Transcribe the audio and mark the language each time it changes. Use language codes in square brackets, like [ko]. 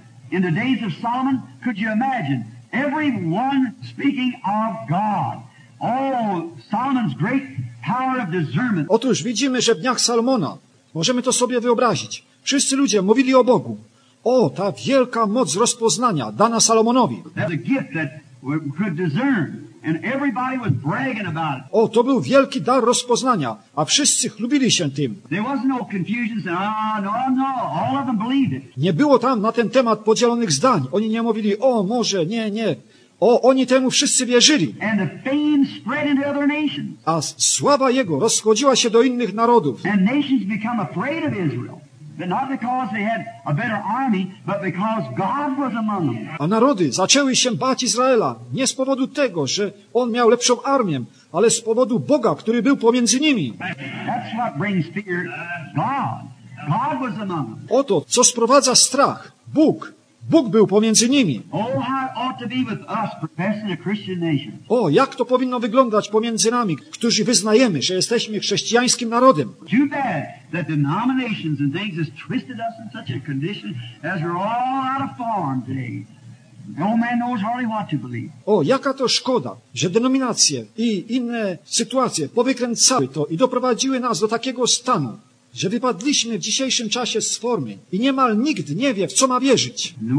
[en] In the days of Solomon, could you imagine everyone speaking of God? Oh, Solomon's great power of discernment. [pl] Otóż widzimy, że w dniach Salomona, możemy to sobie wyobrazić, wszyscy ludzie mówili o Bogu. O, ta wielka moc rozpoznania dana Salomonowi. [en] That's a gift that we could discern. And everybody was bragging about it. [pl] O, to był wielki dar rozpoznania, a wszyscy chlubili się tym. [en] There was no confusion, no. All of them believed it. [pl] Nie było tam na ten temat podzielonych zdań. Oni nie mówili, o, może, nie. O, oni temu wszyscy wierzyli. [en] And the fame spread into other nations. [pl] A sława jego rozchodziła się do innych narodów. [en] And nations become afraid of Israel. Not because they had a better army, but because God was among them. [pl] A narody zaczęły się bać Izraela nie z powodu tego, że on miał lepszą armię, ale z powodu Boga, który był pomiędzy nimi. [en] That's what brings fear. God was among them. [pl] Oto, co sprowadza strach. Bóg. Bóg był pomiędzy nimi. [en] Oh, how ought to be with us professing a Christian nation. [pl] O, jak to powinno wyglądać pomiędzy nami, którzy wyznajemy, że jesteśmy chrześcijańskim narodem. [en] Too bad that denominations and things has twisted us in such a condition as we're all out of form today. No man knows hardly what to believe. [pl] O, jaka to szkoda, że denominacje i inne sytuacje powykręcały to i doprowadziły nas do takiego stanu, że wypadliśmy w dzisiejszym czasie z formy i niemal nikt nie wie, w co ma wierzyć.